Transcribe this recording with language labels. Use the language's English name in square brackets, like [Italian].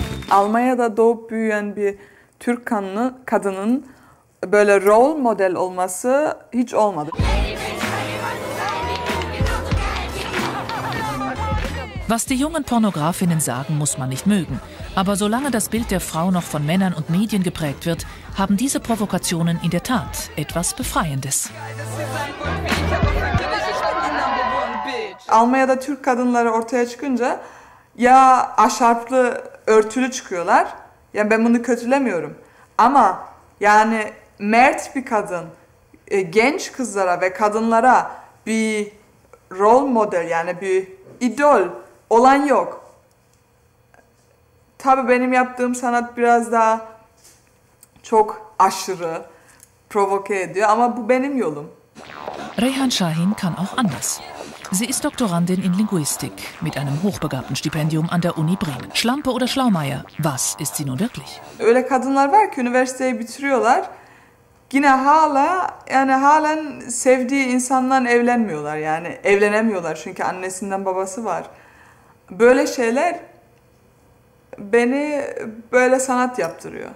[Turkish] Almanya'da doğup büyüyen bir Türk kanlı kadının böyle rol model olması hiç olmadı. [German] Was die jungen Pornografinnen sagen, muss man nicht mögen. Aber solange das Bild der Frau noch von Männern und Medien geprägt wird, haben diese Provokationen in der Tat etwas Befreiendes. [Turkish] Almanya'da Türk kadınları ortaya çıkınca ya aşarplı, örtülü çıkıyorlar. Yani ben bunu kötülemiyorum. Ama yani mert bir kadın genç kızlara ve kadınlara bir rol model, yani bir idol olan yok. Tabii benim yaptığım sanat biraz daha çok aşırı provoke ediyor ama bu benim yolum. [German] Reyhan Şahin kann auch anders. Sie ist Doktorandin in Linguistik mit einem hochbegabten Stipendium an der Uni Bremen. Schlampe oder Schlaumeier, was ist sie nun wirklich? [Turkish] Öyle kadınlar var ki üniversiteyi bitiriyorlar. Yine hala, yani halen sevdiği insanla evlenmiyorlar, yani evlenemiyorlar çünkü annesinden babası var. Böyle şeyler beni böyle sanat yaptırıyor.